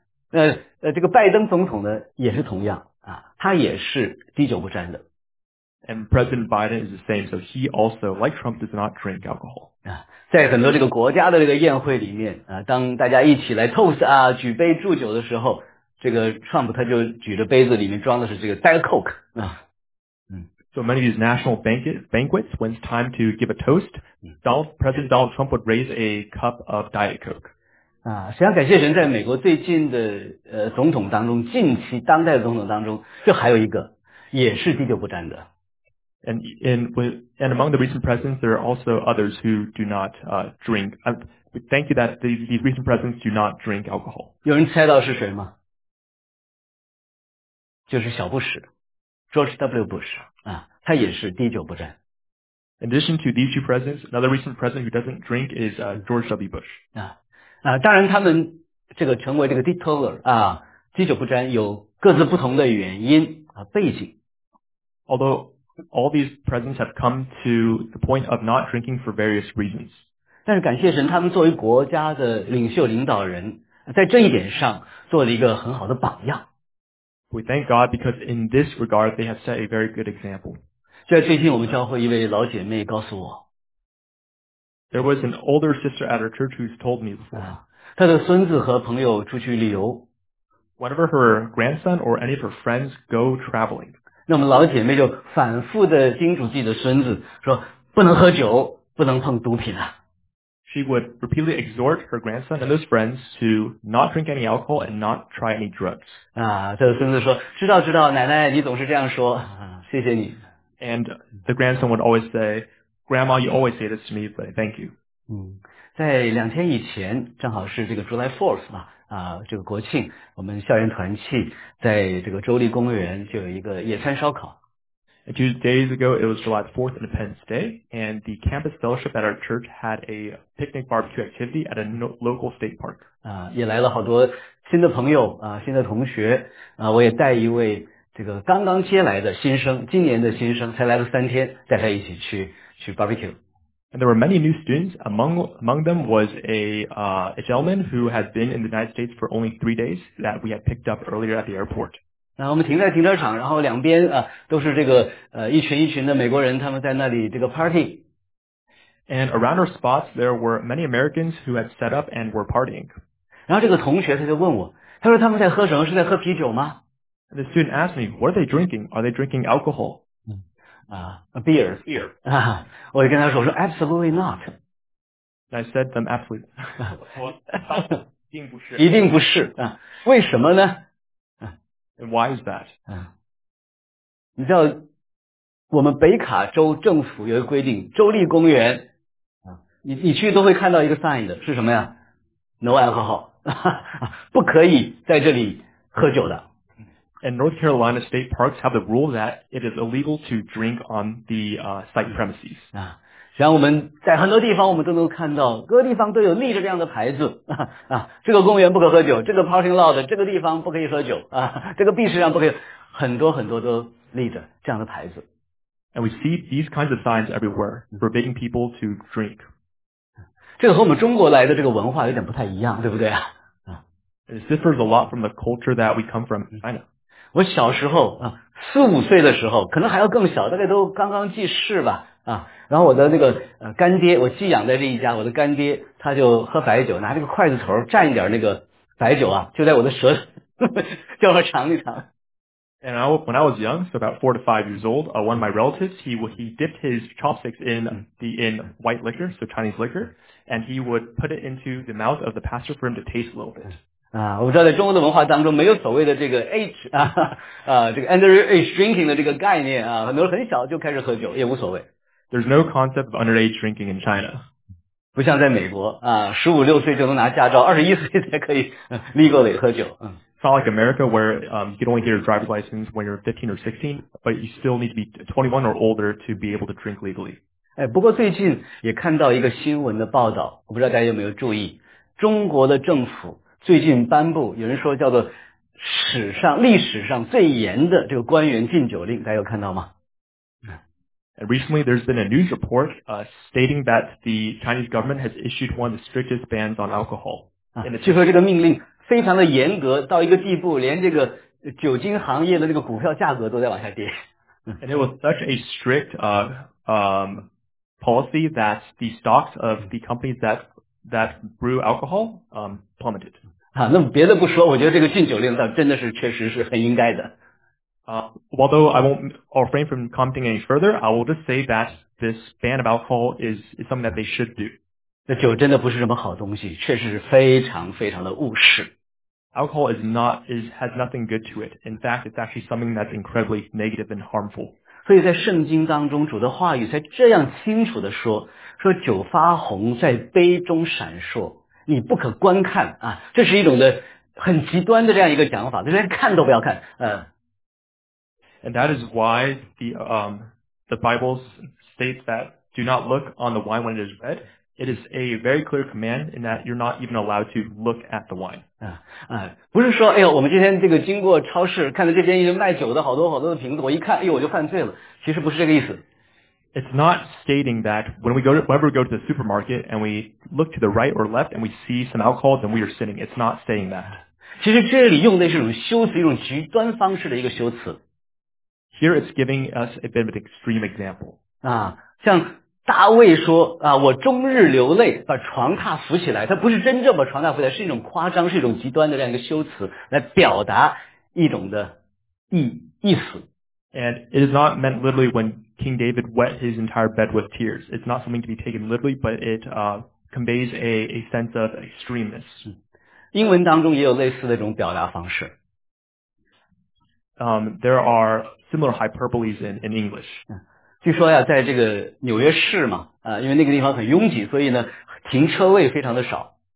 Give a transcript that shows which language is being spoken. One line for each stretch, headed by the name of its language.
Chinese: 这个拜登总统呢也是同样啊，他也是滴酒不沾的。
English: And President Biden is the same, so he also, like Trump, does not drink alcohol.
Chinese: 在很多这个国家的这个宴会里面啊，当大家一起来 toast 啊，举杯祝酒的时候，这个 Trump 他就举着杯子，里面装的是这个 Diet Coke 啊。
English: So many of these national banquets, when it's time to give a toast, President Donald Trump would raise a cup of Diet Coke.
Chinese: 啊，实际上感谢神，在美国最近的总统当中，近期当代的总统当中，就还有一个也是滴酒不沾的。
English: And among the recent presidents, there are also others who do not drink. Thank you that these recent presidents do not drink alcohol.
Chinese: 有人猜到是谁吗？就是小布什 ，George W. Bush 啊，他也是滴酒不沾。
English: In addition to these two presidents, another recent president who doesn't drink is George W. Bush.
Chinese: 啊，当然他们这个成为这个 teetotaler 啊，滴酒不沾，有各自不同的原因啊背景。
English: Although all these presidents have come to the point of not drinking for various reasons.
Chinese: 但是感谢神，他们作为国家的领袖领导人，在这一点上做了一个很好的榜样。
English: We thank God because in this regard they have set a very good example.
Chinese: 在最近我们教会一位老姐妹告诉我。
English: There was an older sister at our church who's told me before.
Chinese: 她的孙子和朋友出去旅游。
English: Whenever her grandson or any of her friends go traveling,
Chinese: 那我们老姐妹就反复的叮嘱自己的孙子说不能喝酒，不能碰毒品啊。
English: She would repeatedly exhort her grandson and those friends to not drink any alcohol and not try any drugs.
Chinese: 啊，这个孙子说知道知道，奶奶你总是这样说，谢谢你。
English: And the grandson would always say, Grandma, you always say this to me, but thank you.
Chinese: 在两天以前，正好是这个 July 4th 嘛。啊，这个国庆，我们校园团契在这个州立公园就有一个野餐烧烤。
English: 2 days ago, it was July 4th, Independence Day, and the campus fellowship at our church had a picnic barbecue activity at a local state park.
Chinese: 也来了好多新的朋友啊，新的同学啊，我也带一位这个刚刚接来的新生，今年的新生，才来了三天，带他一起去 barbecue。
English: And there were many new students. Among them was a gentleman who had been in the United States for only 3 days that we had picked up earlier at the airport.
Chinese: 那我们停在停车场，然后两边啊都是这个一群一群的美国人，他们在那里这个 party。
English: And around our spots, there were many Americans who had set up and were partying.
Chinese: 然后这个同学他就问我，他说他们在喝什么？是在喝啤酒吗？
English: And the student asked me, "What are they drinking? Are they drinking alcohol?" A beer.
Chinese: 我就跟他说，我说
English: absolutely not. And I said them absolutely.
Chinese: 一定不是啊？为什么呢？
English: And why is that?
Chinese: 你知道，我们北卡州政府有一个规定，州立公园啊，你去都会看到一个 sign 的，是什么呀？
English: No alcohol.
Chinese: 不可以在这里喝酒的。
English: And North Carolina state parks have the rule that it is illegal to drink on the site premises.
Chinese: 像我们在很多地方我们都能看到，各地方都有立着这样的牌子，这个公园不可喝酒，这个 parking lot 这个地方不可以喝酒，这个壁纸上不可以，很多很多都立着这样的牌子。
English: And we see these kinds of signs everywhere, forbidding people to drink.
Chinese: 这个和我们中国来的这个文化有点不太一样，对不对啊？
English: It differs a lot from the culture that we come from in China.
Chinese: 我小时候啊，四五岁的时候，可能还要更小，大概都刚刚记事吧，然后我的那个干爹，我寄养在这一家，我的干爹他就喝白酒，拿这个筷子头蘸一点那个白酒啊，就在我的舌头叫我尝一尝。
English: And I, when I was young, so about 4 to 5 years old, one of my relatives, he dipped his chopsticks in white liquor, so Chinese liquor, and he would put it into the mouth of the pastor for him to taste a little bit.
Chinese: 我知道在中国的文化当中没有所谓的这个 age, 这个 underage drinking 的这个概念啊，很多人很小就开始喝酒也无所谓。
English: There's no concept of underage drinking in China.
Chinese: 不像在美国啊，十五六岁就能拿驾照，二十一岁才可以 legally 喝酒。
English: It's not like America where you can only get your driver's license when you're 15 or 16, but you still need to be 21 or older to be able to drink legally.
Chinese: 不过最近也看到一个新闻的报道，我不知道大家有没有注意，中国的政府最近颁布，有人说叫做历史上最严的这个官员禁酒令，大家有看到吗？
English: And recently, there's been a news report stating that the Chinese government has issued one of the strictest bans on alcohol.
Chinese: 据说这个命令非常的严格，到一个地步，连这个酒精行业的这个股票价格都在往下跌。
English: And it was such a strict policy that the stocks of the companies that brew alcohol plummeted.
Chinese: 那别的不说，我觉得这个禁酒令倒真的是确实是很应该的。
English: Although I won't refrain from commenting any further, I will just say that this ban of alcohol is something that they should do.
Chinese: 那酒真的不是什么好东西，确实是非常非常的误事。
English: Alcohol has nothing good to it. In fact, it's actually something that's incredibly negative and harmful.
Chinese: 所以在圣经当中，主的话语才这样清楚地说酒发红在杯中闪烁，你不可观看啊！这是一种的很极端的这样一个讲法，就连看都不要看，
English: And that is why the Bible states that do not look on the wine when it is red. It is a very clear command in that you're not even allowed to look at the wine.
Chinese: 不是说，哎呦，我们今天这个经过超市，看到这边一直卖酒的好多好多的瓶子，我一看，哎呦，我就犯罪了。其实不是这个意思。
English: It's not stating that whenever we go to the supermarket and we look to the right or left and we see some alcohol, then we are sinning. It's not saying that.
Chinese: 其实这里用的是一种修辞，一种极端方式的一个修辞。
English: Here it's giving us a bit of an extreme example.
Chinese: 像大卫说我终日流泪，把床榻扶起来。他不是真正把床榻扶起来，是一种夸张，是一种极端的这样一个修辞，来表达一种的意思。
English: And it is not meant literally when King David wet his entire bed with tears. It's not something to be taken literally, but it conveys a sense of extremeness.
Chinese: 英文当中也有类似的一种表达方式。
English: There are similar hyperboles in English.
Chinese: 据说呀，在这个纽约市嘛，因为那个地方很拥挤，所以呢，停车位非常的少。